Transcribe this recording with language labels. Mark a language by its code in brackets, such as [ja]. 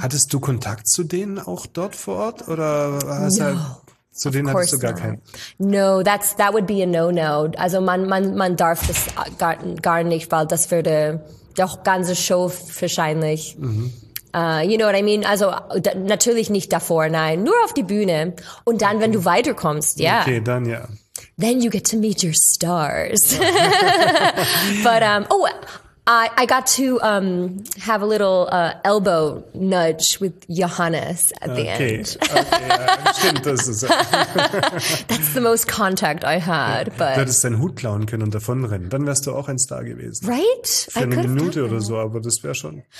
[de] Hattest du Kontakt zu denen auch dort vor Ort? Oder hast [en] no, [de] du, zu denen hattest du gar not. Keinen? [en] No, that's, that would be a no-no. [de] Also man darf das gar nicht, weil das würde doch ganze Show wahrscheinlich. [en] You know what I mean? [de] Also natürlich nicht davor, nein. Nur auf die Bühne. Und dann, wenn du weiterkommst, ja. Yeah. Okay, dann ja. [en] Then you get to meet your stars. But, I got to have a little elbow nudge with Johannes at the end. [de] Okay, stimmt, das ist so. [en] That's the most contact I had. But [de] du hättest deinen Hut klauen können und davonrennen. Dann wärst du auch ein Star gewesen. [en] Right? [de] Für eine Minute oder so, aber das wäre schon.